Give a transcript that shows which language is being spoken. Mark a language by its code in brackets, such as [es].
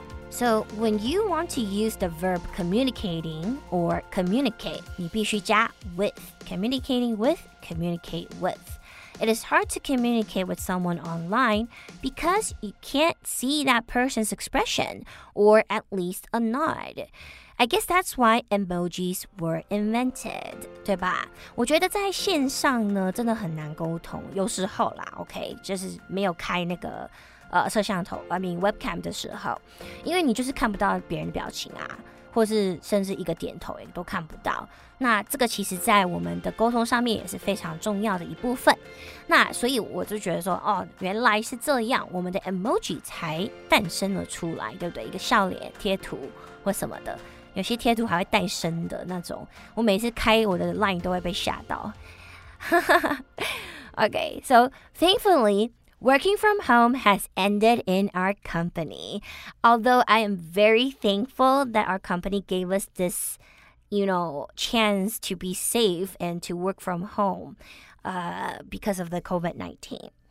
[en] So, when you want to use the verb communicating or communicate, [zh] 你必须加 [en] with, communicating with, communicate with. It is hard to communicate with someone online because you can't see that person's expression or at least a nod. I guess that's why emojis were invented, [zh] 对吧？我觉得在线上呢真的很难沟通，有时候啦 ,OK, 就是没有开那个摄像头 [en] I mean webcam [zh] 的时候，因为你就是看不到别人的表情啊，或是甚至一个点头也都看不到，那这个其实在我们的沟通上面也是非常重要的一部分。那所以我就觉得说，哦，原来是这样，我们的 emoji 才诞生了出来，对不对？一个笑脸贴图或什么的，有些贴图还会带声的那种，我每次开我的 line 都会被吓到。 [en] OK, so thankfullyWorking from home has ended in our company. Although I am very thankful that our company gave us this, you know, chance to be safe and to work from home because of the COVID-19.